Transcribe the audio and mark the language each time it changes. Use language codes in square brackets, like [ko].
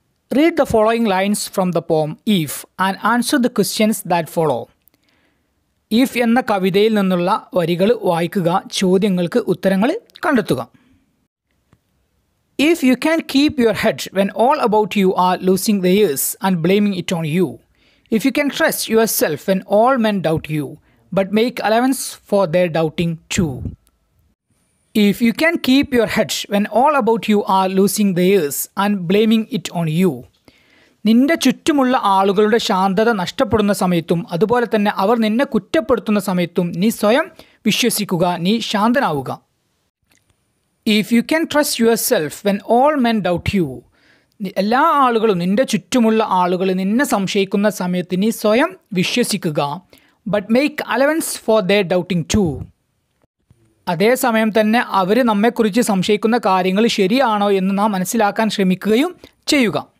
[en] Read the following lines from the poem if and answer the questions that follow. [ml] If എന്ന കവിതയിൽ നിന്നുള്ള വരികൾ വായിക്കുക, ചോദ്യങ്ങൾക്ക് ഉത്തരങ്ങൾ കണ്ടെത്തുക. [en] If you can keep your head when all about you are losing theirs and blaming it on you. If you can trust yourself when all men doubt you, but make allowance for their doubting too. If you can keep your head when all about you are losing theirs and blaming it on you. [ml] നിന്റെ ചുറ്റുമുള്ള ആളുകളുടെ ശാന്തത നഷ്ടപ്പെടുന്ന സമയത്തും അതുപോലെ തന്നെ അവർ നിന്നെ കുറ്റപ്പെടുത്തുന്ന സമയത്തും നീ സ്വയം വിശ്വസിക്കുക, നീ ശാന്തനാവുക. [en] If you can trust yourself when all men doubt you. [ml] എല്ലാ ആളുകളും, നിൻ്റെ ചുറ്റുമുള്ള ആളുകൾ നിന്നെ സംശയിക്കുന്ന സമയത്ത് നീ സ്വയം വിശ്വസിക്കുക. [en] But make allowance for their doubting too. [ml] അതേസമയം തന്നെ അവർ നമ്മെക്കുറിച്ച് സംശയിക്കുന്ന കാര്യങ്ങൾ ശരിയാണോ എന്ന് നാം മനസ്സിലാക്കാൻ ശ്രമിക്കുകയും ചെയ്യുക.